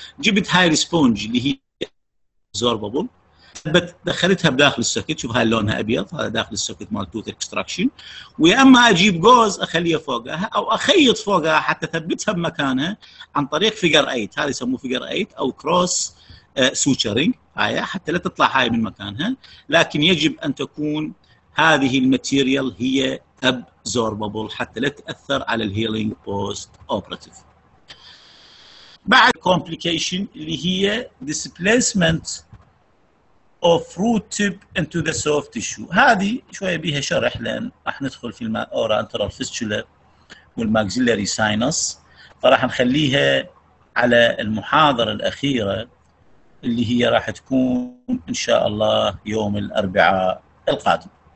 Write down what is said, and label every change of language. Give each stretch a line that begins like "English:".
Arabic: جبت هاي السبونج اللي هي absorbable دخلتها بداخل السوكت، شوف هاي لونها ابيض هذا داخل السوكت مال توث اكستراكشن، ويا اما اجيب جوز اخليها فوقها او اخيط فوقها حتى اثبتها بمكانها عن طريق فيجر 8، هذا يسموه فيجر 8 او كروس سوتشرنج هاي حتى لا تطلع هاي من مكانها، لكن يجب ان تكون هذه الماتيريال هي ابزوربابل حتى لا تاثر على الهيلينج بوست اوبرتيف.
English: بعد كومبليكيشن اللي هي displacement of root tip into the soft tissue.
Arabic: هذه شويه بيها شرح لان راح ندخل في الاورا انترال فيستشولا والماكسيلري ساينس، فراح نخليها على المحاضره الاخيره اللي هي راح تكون ان شاء الله يوم الاربعاء القادم.